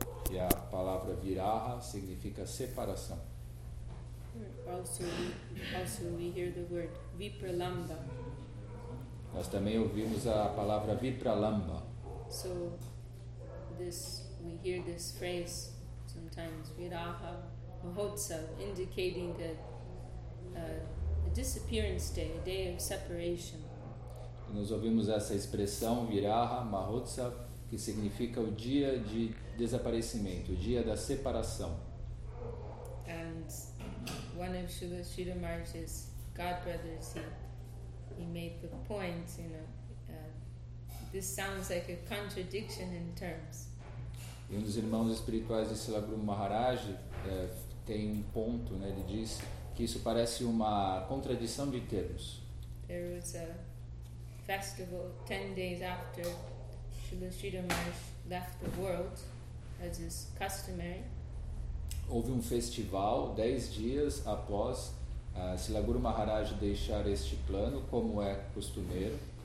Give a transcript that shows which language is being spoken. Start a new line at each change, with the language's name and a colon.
Portuguese: E a palavra viraha significa separação.
English: Also we hear the word vipralamba.
Portuguese: Nós também ouvimos a palavra vipralamba.
English: So this we hear this phrase sometimes viraha mahotsa, indicating that a disappearance day, a day of separation.
Portuguese: E nós ouvimos essa expressão viraha mahotsa, que significa o dia de desaparecimento, o dia da separação.
English: And one of Srila Srila Maharaj's god brothers, he made the point, you know, this sounds like a contradiction in terms.
Portuguese: E um dos irmãos espirituais de Srila Guru Maharaj tem um ponto, né? Ele diz que isso parece uma contradição de termos.
English: There was a festival 10 days after Srila Srila Maharaj left the world, as is customary.
Portuguese: Houve um festival 10 dias após Srila Guru Maharaj deixar este plano, como é costumeiro.